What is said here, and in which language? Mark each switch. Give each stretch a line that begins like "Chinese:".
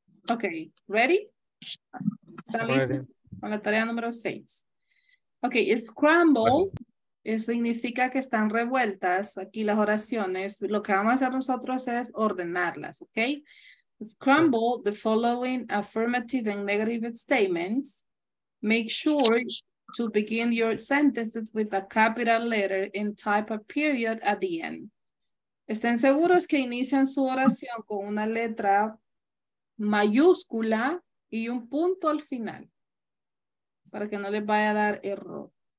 English: Ok, ¿ready?
Spanish: Con la tarea número 6. Ok, scramble significa que están revueltas aquí las oraciones. Lo que vamos a hacer nosotros es ordenarlas, ok?
English: Scramble the following affirmative and negative statements. Make sure to begin your sentences with a capital letter and type a period at the end.
Spanish: Estén seguros que inician su oración con una letra mayúscula y un punto al final para que no les vaya a dar error.